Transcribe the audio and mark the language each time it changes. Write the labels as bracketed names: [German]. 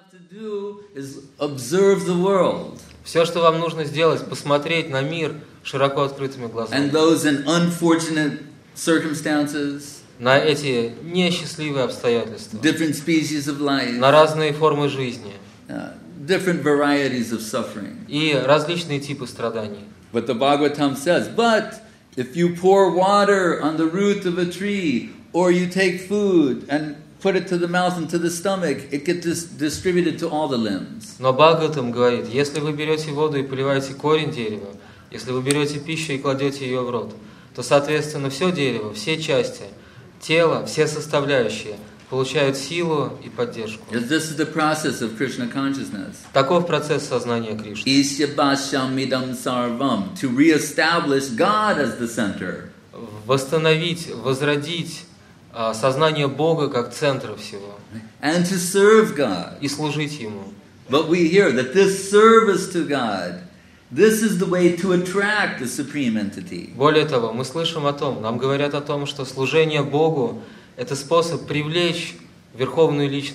[English] to do is observe the world. [Russian] Все, что вам нужно сделать, посмотреть на мир широко открытыми глазами. [English] And those in unfortunate circumstances. [Russian] На эти несчастливые обстоятельства. [English] Different species of life. [Russian] На разные формы жизни. [English] Different varieties of suffering. [Russian] И различные типы страданий. [English] But the Bhagavatam says, but if you pour water on the root of a tree, or you take food and put it to the mouth and to the stomach, it gets distributed to all the limbs. [Russian] Но Бхагаватам говорит, если вы берете воду и поливаете корень дерева, если вы берете пищу и кладете ее в рот, то, соответственно, все дерево, все части, тело, все составляющие получают силу и поддержку. [English] This is the process of Krishna consciousness. [Russian] Таков процесс сознания Кришны. [Sanskrit] Ishyabhasyamidam sarvam. [English] To re-establish God as the center. [Russian] Восстановить, возродить сознание Бога как центра всего. [English] And to serve God. [Russian] И служить Ему. [English] But we hear that this service to God, this is the way to attract the Supreme Entity. [Russian] Более того, мы слышим о том, нам говорят о том, что служение Богу это способ привлечь Верховную